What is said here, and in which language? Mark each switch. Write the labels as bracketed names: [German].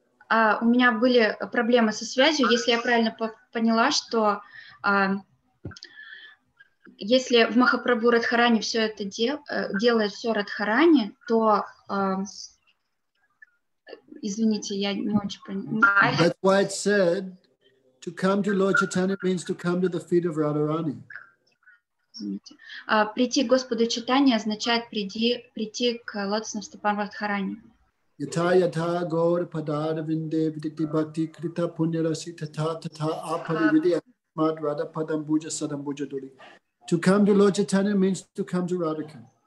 [Russian] У меня были проблемы со связью. Если я правильно поняла, что если в Махапрабху Радхарани все это делает все Радхарани, то извините, я не очень понимаю. [English] That's why it said to come to Lord Chaitanya means to come to the feet of Radharani. [Russian] Прийти к Господу Читания означает прийти к лотосным стопам Радхарани. [Sanskrit] Yata yata gaur padar vinde vidhiti bhakti krita punya rasi tata tata apari vidhi mad radha padam buja sadam buja duri. [English] To come to Lord Chaitanya means to come to Radhika.